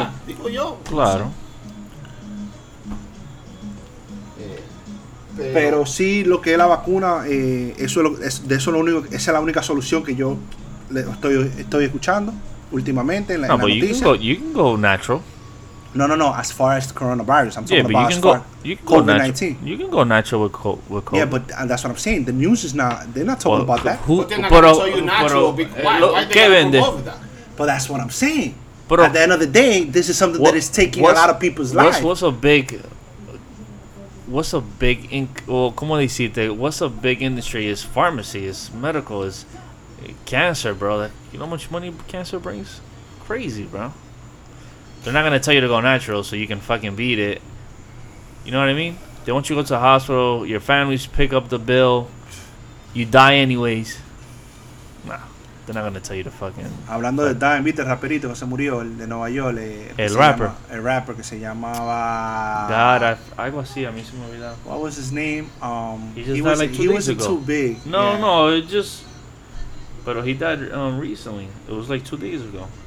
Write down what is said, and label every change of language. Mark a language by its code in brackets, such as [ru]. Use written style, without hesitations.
[es] Que sacar, digo yo. Claro. Pero sí, lo que es la vacuna, eso es lo único, esa es la única solución que yo estoy escuchando últimamente en la noticia. [en] You can go natural. No. As far as the coronavirus, I'm talking about COVID-19. You can go natural with COVID. Yeah, but that's what I'm saying. The news is not. They're not talking about that. Who? But that's what I'm saying. But at the end of the day, this is something that is taking a lot of people's lives. What's a big industry? Is pharmacy? Is medical? Is cancer, bro? You know how much money cancer brings? Crazy, bro. They're not going to tell you to go natural so you can fucking beat it. You know what I mean? They want you to go to the hospital. Your families pick up the bill. You die anyways. Nah. They're not going to tell you to fucking... [es] Hablando de dying, viste el raperito que se murió, el de Nueva York. El rapper. El rapper que se llamaba... God, algo así. A mí se me olvidó. [en] What was his name? He died like two days ago. No, it just... But he died recently. It was like 2 days ago.